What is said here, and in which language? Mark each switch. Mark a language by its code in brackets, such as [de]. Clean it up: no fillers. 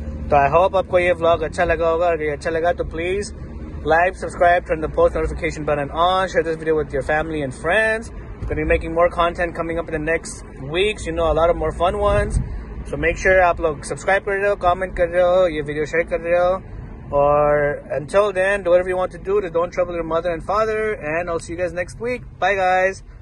[en] So I hope [hi] आपको ये vlog अच्छा लगा होगा. अगर ये अच्छा लगा तो [en] please like, subscribe, turn the post notification button on, share this video with your family and friends. We're gonna be making more content coming up in the next weeks. You know, a lot of more fun ones. So make sure [hi] आप लोग subscribe कर रहे हो, comment कर रहे हो, ये video share कर रहे हो. [en] Or until then, do whatever you want to do to don't trouble your mother and father. And I'll see you guys next week. Bye guys.